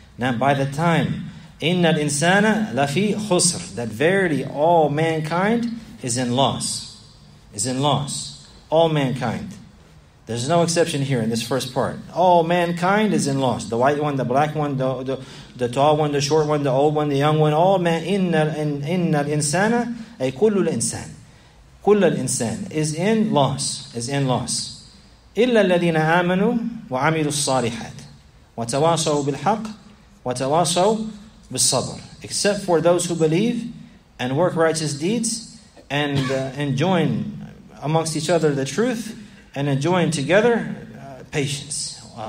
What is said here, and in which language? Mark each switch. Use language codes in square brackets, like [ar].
[en] Now by the time, [ar] إِنَّ الْإِنسَانَ لَفِي خُسْرٍ, [en] that verily all mankind is in loss. Is in loss. All mankind. There's no exception here in this first part. All mankind is in loss. The white one, the black one, the tall one, the short one, the old one, the young one. All man, [ar] إِنَّ الْإِنسَانَ أي كُلُّ الْإِنسَانِ. كُلَّ الْإِنسَانِ [en] is in loss. Is in loss. [ar] إِلَّا الَّذِينَ آمَنُوا وَعَمِلُوا الصَّالِحَاتِ وَتَوَاصَوْا بِالْحَقِّ وَتَوَاصَوْا بِالصَّبْرِ. [en] Except for those who believe and work righteous deeds and enjoin amongst each other the truth and enjoin together patience.